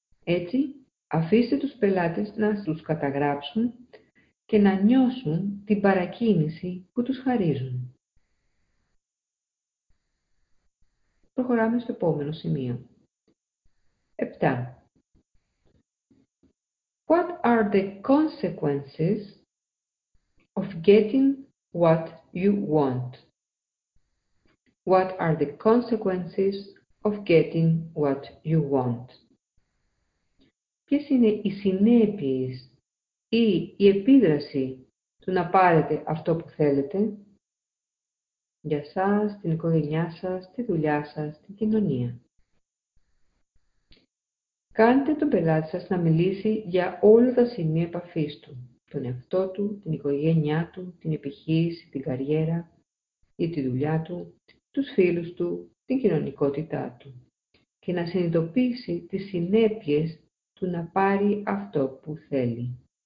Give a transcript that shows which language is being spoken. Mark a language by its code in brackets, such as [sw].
[el] Έτσι, αφήστε τους πελάτες να τους καταγράψουν και να νιώσουν την παρακίνηση που τους χαρίζουν. Προχωράμε στο επόμενο σημείο. 7. [en] What are the consequences of getting what you want? What are the consequences of getting what you want? [el] Ποιες είναι οι συνέπειες ή η επίδραση του να πάρετε αυτό που θέλετε για σας, την οικογένειά σας, τη δουλειά σας, την κοινωνία? Κάντε τον πελάτη σας να μιλήσει για όλα τα σημεία επαφής του, τον εαυτό του, την οικογένειά του, την επιχείρηση, την καριέρα ή τη δουλειά του, τους φίλους του, την κοινωνικότητά του και να συνειδητοποιήσει τις συνέπειες του να πάρει αυτό που θέλει.